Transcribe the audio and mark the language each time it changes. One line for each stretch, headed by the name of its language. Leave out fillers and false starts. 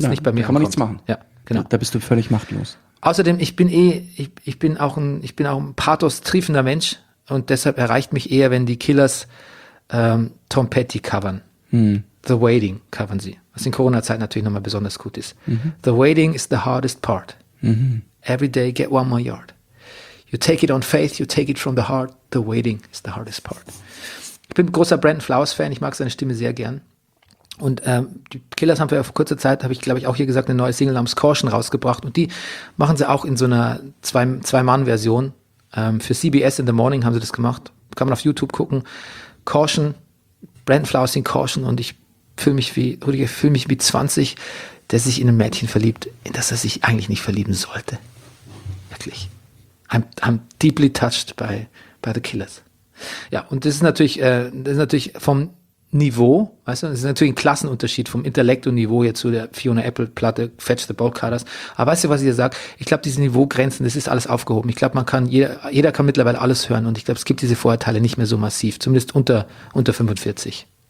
German: kommt. Kann man ankommt. Nichts machen. Ja. Genau. Da bist du völlig machtlos. Außerdem, ich bin auch ein pathos-triefender Mensch und deshalb erreicht mich eher, wenn die Killers Tom Petty covern. The Waiting covern sie. Was in Corona-Zeit natürlich nochmal besonders gut ist.
English: The Waiting is the hardest part. Every day get one more yard. You take it on faith, you take it from the heart. The Waiting is the hardest part.
German: Ich bin großer Brandon Flowers-Fan, ich mag seine Stimme sehr gern. Und die Killers haben vor kurzer Zeit, habe ich glaube ich auch hier gesagt, eine neue Single namens Caution rausgebracht. Und die machen sie auch in so einer Zwei-Mann-Version. Für CBS in the Morning haben sie das gemacht. Kann man auf YouTube gucken. Caution, Brandon Flowers in Caution. Und ich fühle mich wie, Rüdiger, fühle mich wie 20, der sich in ein Mädchen verliebt, in das er sich eigentlich nicht verlieben sollte. Wirklich.
English: I'm deeply touched by the Killers.
German: Ja, und das ist natürlich vom Niveau, weißt du, das ist natürlich ein Klassenunterschied vom Intellekt und Niveau hier zu der Fiona Apple Platte Fetch the Ball Cutters. Aber weißt du, was ich hier sage? Ich glaube, diese Niveaugrenzen, das ist alles aufgehoben. Ich glaube, jeder kann mittlerweile alles hören und ich glaube, es gibt diese Vorurteile nicht mehr so massiv, zumindest unter 45.